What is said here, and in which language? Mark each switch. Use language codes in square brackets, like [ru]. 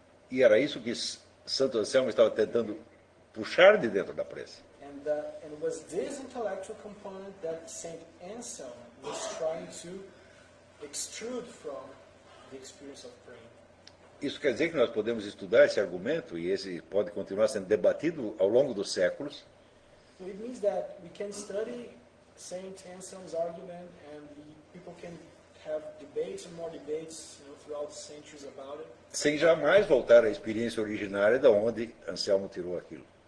[pt] E era isso que Santo Anselmo estava tentando puxar de dentro da prece. [en] And was this intellectual component that Saint Anselm was trying to extrude from the experience of praying. [pt] Isso quer dizer que nós podemos estudar esse argumento e esse pode continuar sendo debatido ao longo dos séculos. [en] So it means that we can study Saint Anselm's argument and people can have debates and more debates, you know, throughout the centuries about it. [pt] Sem jamais voltar à experiência originária da onde Anselmo tirou aquilo.